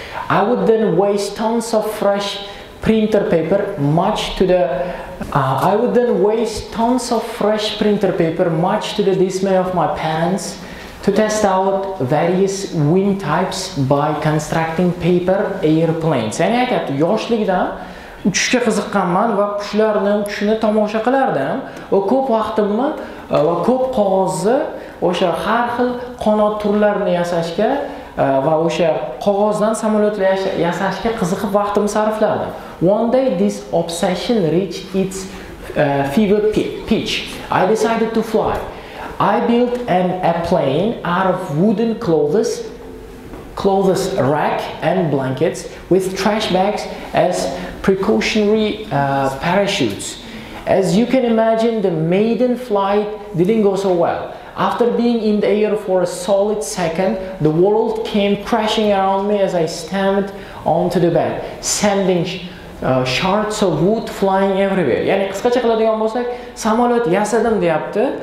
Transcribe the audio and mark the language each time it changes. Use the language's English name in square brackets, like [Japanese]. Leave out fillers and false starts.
[English] I would then waste tons of fresh printer paper, much to the dismay of my parents, to test out various wing types by constructing paper airplanes. [Uzbek] Ya'ni aytadi, yoshligidan uchishga qiziqqanman va qushlarni uchishini tomosha qilardim va ko'p vaqtimni va ko'p qog'ozni o'sha har xil qanot turlarini yasashga va o'sha qog'ozdan samolyotlar yasashga qiziqib vaqtimni sarflardim. [English] One day this obsession reached its fever pitch. I decided to fly. I built an airplane out of wooden clothes rack and blankets with trash bags as precautionary parachutes. As you can imagine, the maiden flight didn't go so well. After being in the air for a solid second, the world came crashing around me as I slammed onto the bed, sending shards of wood flying everywhere. [Uzbek] Ya'ni qisqacha qiladigan bo'lsak, samolyot yasadim deyapti.